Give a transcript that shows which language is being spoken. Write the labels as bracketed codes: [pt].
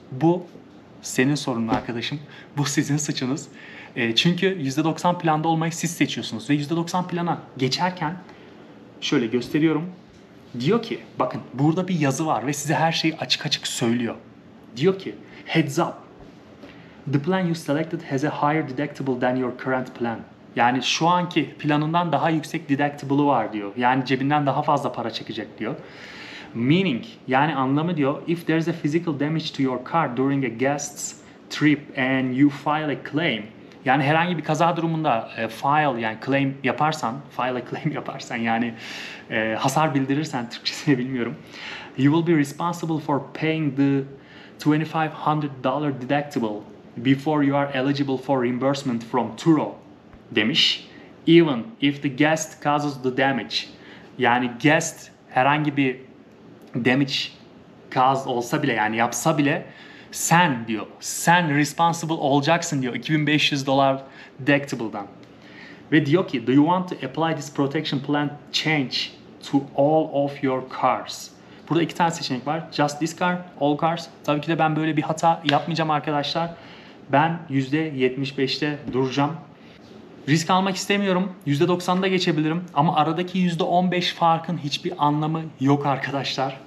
[tr] Bu senin sorunun arkadaşım. Bu sizin suçunuz. Çünkü %90 planda olmayı siz seçiyorsunuz. Ve %90 plana geçerken şöyle gösteriyorum. Diyor ki bakın, burada bir yazı var ve size her şeyi açık açık söylüyor. Diyor ki, [en] heads up. The plan you selected has a higher deductible than your current plan. [tr] Yani şu anki planından daha yüksek deductible'ı var diyor. Yani cebinden daha fazla para çekecek diyor. [en] Meaning, [tr] yani anlamı diyor, [en] if there's a physical damage to your car during a guest's trip and you file a claim, [tr] yani herhangi bir kaza durumunda file, yani claim yaparsan, file a claim yaparsan, yani hasar bildirirsen, Türkçesini bilmiyorum, [en] you will be responsible for paying the $2,500 deductible before you are eligible for reimbursement from Turo, [tr] demiş. [en] Even if the guest causes the damage, [tr] yani guest herhangi bir damage cause olsa bile, yani yapsa bile, sen diyor, sen responsible olacaksın diyor $2,500 deductible'dan. Ve diyor ki, [en] do you want to apply this protection plan change to all of your cars? [tr] Burada iki tane seçenek var. [en] Just this car, all cars. [tr] Tabii ki de ben böyle bir hata yapmayacağım arkadaşlar. Ben %75'te duracağım. Risk almak istemiyorum. %90'da geçebilirim. Ama aradaki %15 farkın hiçbir anlamı yok arkadaşlar.